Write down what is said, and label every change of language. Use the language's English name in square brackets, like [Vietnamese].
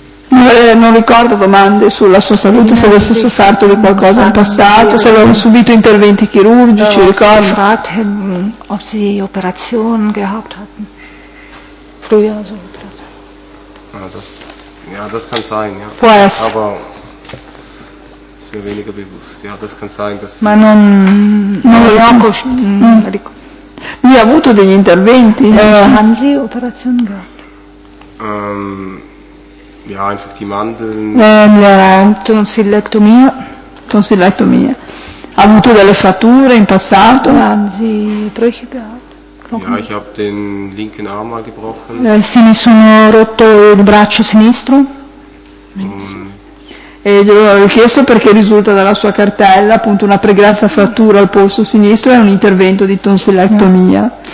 [Italian] Non ricordo domande sulla sua salute, se avesse sofferto di qualcosa in passato, se aveva subito interventi chirurgici, ricordo. Ho chiesto [German] ob sie Operationen gehabt hatten. Früher so Operationen. Ah, das, ja, das kann sein, ja. [Italian] Può essere. [German] Aber ist mir weniger bewusst. Ja, das kann sein, dass [Italian] ma non Lui ha avuto degli interventi? [German] Haben sie Operationen gehabt? Ja, einfach die Mandeln. [Italian] Tonsillectomia. Ha avuto delle fratture in passato? Anzi, [German] Brüche gehabt. Ja, ich habe den linken Arm mal gebrochen. [Italian] Sì, mi sono rotto il braccio sinistro. E glielo ho chiesto perché risulta dalla sua cartella appunto una pregressa frattura al polso sinistro e un intervento di tonsillectomia.